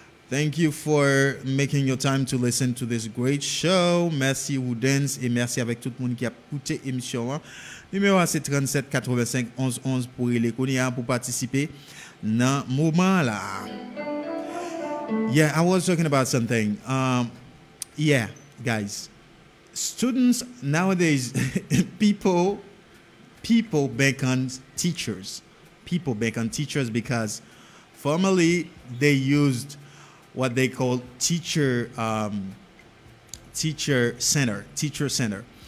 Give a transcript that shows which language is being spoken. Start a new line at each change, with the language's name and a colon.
English: Thank you for making your time to listen to this great show.
French: Merci Woodens et merci avec tout le monde qui a écouté l'émission. Numéro c'est 37 85 11 11 pour les connaître pour participer dans ce moment là.
English: Yeah, I was talking about something. Yeah, guys, students nowadays, people bank on teachers. People bank on teachers because formerly they used what they call teacher center.